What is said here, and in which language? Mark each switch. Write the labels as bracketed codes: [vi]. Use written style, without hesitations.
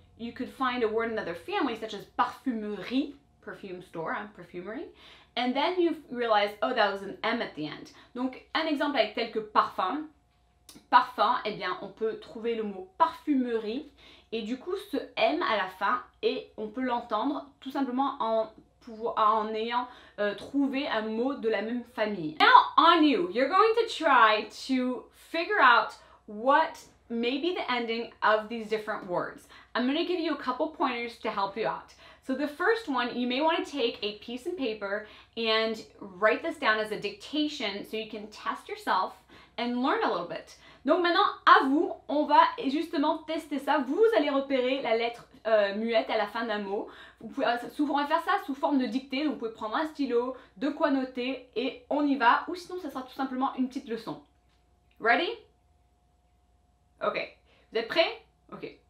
[en] You could find a word in another family, such as parfumerie, perfume store, perfumerie, And then you realize, oh, that was an M at the end. [fr] Donc, un exemple avec tel que parfum. Parfum, eh bien, on peut trouver le mot parfumerie. Et du coup, ce M à la fin, et on peut l'entendre tout simplement en ayant trouvé un mot de la même famille. [en] Now, on you. You're going to try to figure out what may be the ending of these different words. I'm going to give you a couple pointers to help you out. So the first one, you may want to take a piece of paper and write this down as a dictation so you can test yourself and learn a little bit. [fr] Donc maintenant, à vous, on va justement tester ça. Vous allez repérer la lettre muette à la fin d'un mot. Vous pouvez souvent faire ça sous forme de dictée. Donc vous pouvez prendre un stylo, de quoi noter et on y va. Ou sinon, ça sera tout simplement une petite leçon. [en] Ready? Ok. [fr] Vous êtes prêts? Ok.